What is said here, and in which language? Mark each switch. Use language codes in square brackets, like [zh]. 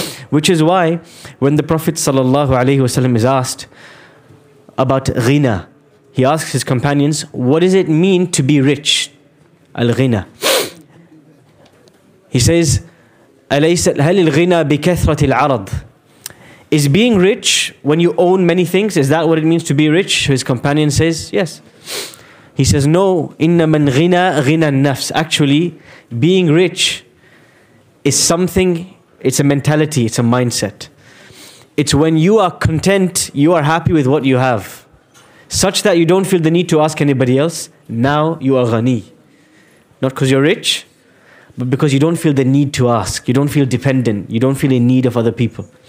[en] Which is why when the Prophet ﷺ is asked about Ghina, he asks his companions, what does it mean to be rich? Al-Ghina. He says, [ar] أَلَيْسَ هَلِ الْغِنَى بِكَثْرَةِ الْعَرَضِ. [en] Is being rich when you own many things? Is that what it means to be rich? His companion says, yes. He says, no, [ar] إِنَّ مَنْ غِنَى غِنَى النَّفْسِ. [en] Actually, being rich is something, it's a mentality, it's a mindset. It's when you are content, you are happy with what you have, such that you don't feel the need to ask anybody else. Now you are غني. Not because you're rich, but because you don't feel the need to ask, you don't feel dependent, you don't feel in need of other people.